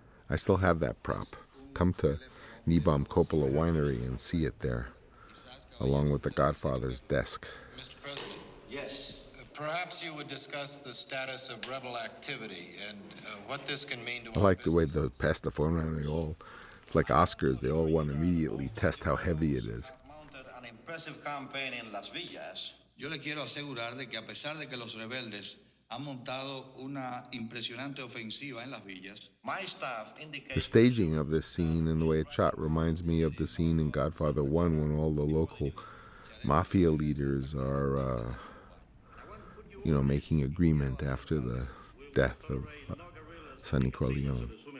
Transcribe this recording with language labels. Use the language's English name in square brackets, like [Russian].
[English] I still have that prop. Come to Nibom Coppola Winery and see it there, along with the Godfather's desk. Mr. President. Yes. Perhaps you would discuss the status of rebel activity and what this can mean to. I like the way they pass the phone around. They all, it's like Oscars. They all want to immediately test how heavy it is. Mounted an impressive campaign in Las Villas. [Spanish] Yo le quiero asegurar de que a pesar de que los rebeldes han montado una impresionante ofensiva en Las Villas. [English] My staff indicates. The staging of this scene and the way it shot reminds me of the scene in Godfather 1 when all the local mafia leaders are. Making agreement after the death of Sonny Corleone.